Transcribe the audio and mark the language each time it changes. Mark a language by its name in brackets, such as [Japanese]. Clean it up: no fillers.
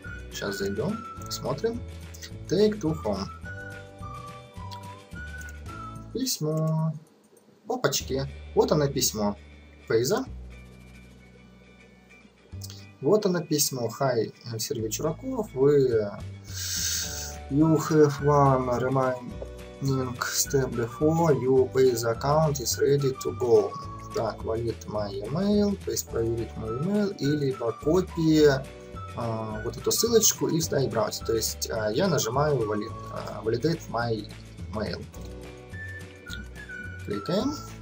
[Russian] Сейчас зайдем, посмотрим. [English] Take to home. [Russian] Письмо. Опачки. Вот оно письмо Payza. Вот оно письмо. Hi, Сергей Чураков. Вы... [English] You have one reminding step before your Payza account is ready to go. [Russian] Так, [English] valid my email, [Russian] то есть проверить мой email, или по копии вот эту ссылочку и вставить браузер. То есть я нажимаю validate my email. Кликаем.